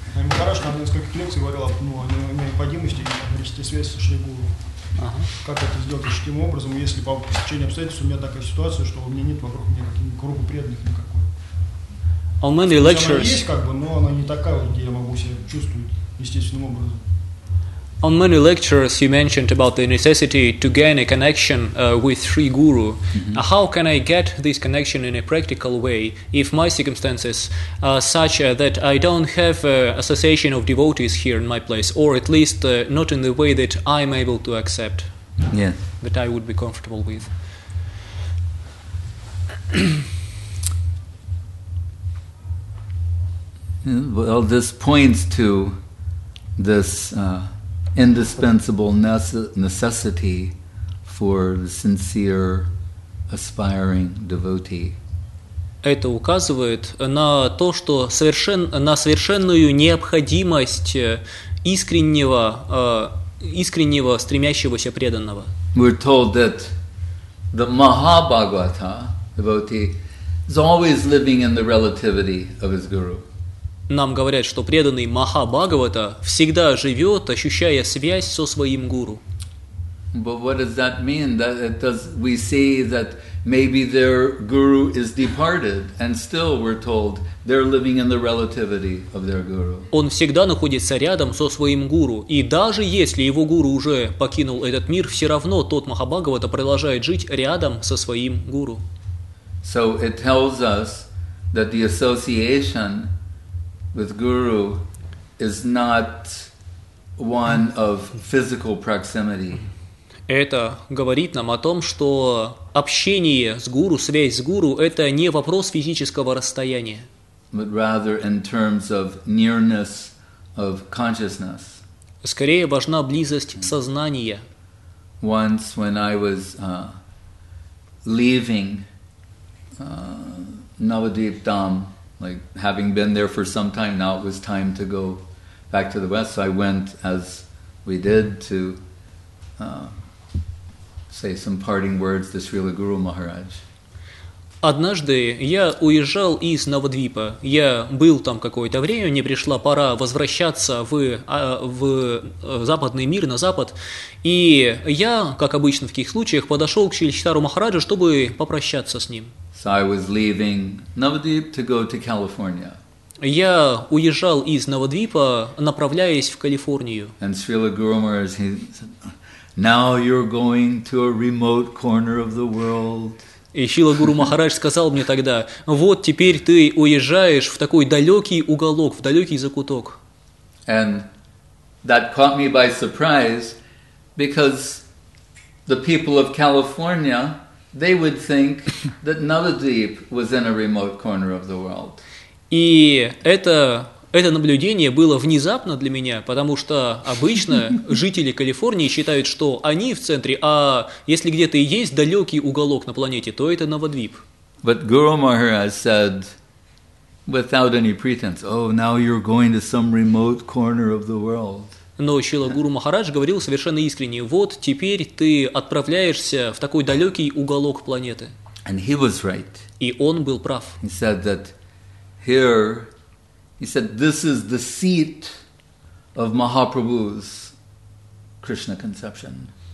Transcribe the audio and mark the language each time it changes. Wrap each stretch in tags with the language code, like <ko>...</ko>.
<ru>Махарадж на нескольких лекциях говорил о необходимости обрести связь с Шри Гуру. Как это сделать, таким образом, если по течению обстоятельств у меня такая ситуация, что у меня нет вокруг меня группы преданных никакой.</ru> <en>On many lectures,</en> <ru>она есть, как бы, но она не такая, где я могу себя чувствовать естественным образом.</ru> <en>On many lectures you mentioned about the necessity to gain a connection with Sri Guru. Mm-hmm. How can I get this connection in a practical way if my circumstances are such that I don't have an association of devotees here in my place, or at least not in the way that I'm able to accept, yeah, that I would be comfortable with? Well, this points to this indispensable necessity for the sincere aspiring devotee.</en> <ru>Это указывает на то, что на совершенную необходимость искреннего стремящегося преданного.</ru> <en>We're told that the Mahabhagavata devotee is always living in the relativity of his guru.</en> <ru>Нам говорят, что преданный Махабхагавата всегда живет, ощущая связь со своим гуру.</ru> <en>But what does that mean? That it does we see that maybe their guru is departed, and still we're told they're living in the relativity of their guru.</en> <ru>Он всегда находится рядом со своим гуру, и даже если его гуру уже покинул этот мир, все равно тот Махабхагавата продолжает жить рядом со своим гуру.</ru> <en>So it tells us that the association with guru is not one of physical proximity.</en> <ru>Это говорит нам о том, что общение с гуру, связь с гуру, это не вопрос физического расстояния.</ru> <en>But rather in terms of nearness of consciousness.</en> <ru>Скорее важна близость сознания.</ru> <en>Once when I was leaving Navadvip Dham, like having been there for some time, now it was time to go back to the West. So I went, as we did, to say some parting words to Srila Guru Maharaj.</en> <ru>Однажды я уезжал из Навадвипа. Я был там какое-то время, мне пришла пора возвращаться в западный мир, на запад. И я, как обычно в таких случаях, подошел к Шри Читару Махараджу, чтобы попрощаться с ним.</ru> <en>So I was leaving Navadvip to go to California.</en> <ru>Я уезжал из Навадвипа, направляясь в Калифорнию.</ru> <en>And Srila Guru Maharaj, he said, now you're going to a remote corner of the world.</en> <ru>И Шрила Гуру Махарадж сказал мне тогда, вот теперь ты уезжаешь в такой далекий уголок, в далекий закуток.</ru> <en>And that caught me by surprise, because the people of California, they would think that Navadvip was in a remote corner of the world.</en> <ru>И это наблюдение было внезапно для меня, потому что обычно жители Калифорнии считают, что они в центре, а если где-то и есть далекий уголок на планете, то это Навадвип.</ru> <en>But Guru Maharaj said, without any pretense, oh, now you're going to some remote corner of the world.</en> <ru>Но Шрила Гуру Махарадж говорил совершенно искренне, вот теперь ты отправляешься в такой далекий уголок планеты.</ru> <en>And he was right.</en> <ru>И он был прав.</ru> <en>He said that here, he said, this is the seat of Mahaprabhu's Krishna conception.</en>